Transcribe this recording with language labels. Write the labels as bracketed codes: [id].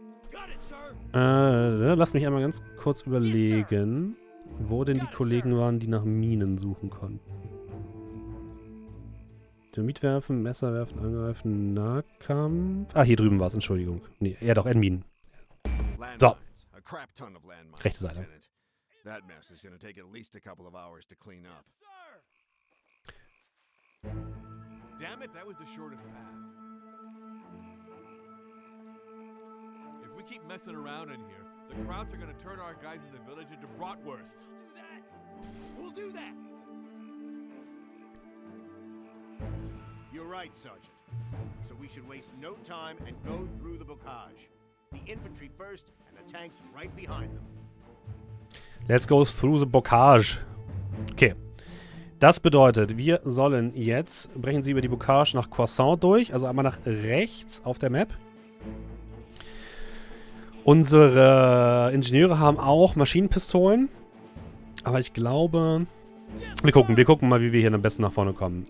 [en] Got it, sir. [de] Lass mich einmal ganz kurz überlegen. [en] Yes, sir. [de] Wo denn die Kollegen waren, die nach Minen suchen konnten? Dynamit werfen, Messer werfen, angreifen, Nahkampf. Ah, hier drüben war es, Entschuldigung. Nee, ja doch, in Minen. So. [en] A crap ton of landmines. [de] Rechte Seite. [en] That mess is gonna take at least a couple of hours to clean up. Damn it, that was the shortest path. If we keep messing around in here, the Krauts are gonna turn our guys in the village into bratwursts. Do that! We'll do that! You're right, Sergeant. So we should waste no time and go through the Bocage. The infantry first, and the tanks right behind them. Let's go through the Bocage. Okay. [de] Das bedeutet, wir sollen jetzt, brechen Sie über die Bocage nach Croissant durch, also einmal nach rechts auf der Map. Unsere Ingenieure haben auch Maschinenpistolen, aber ich glaube, wir gucken mal, wie wir hier am besten nach vorne kommen.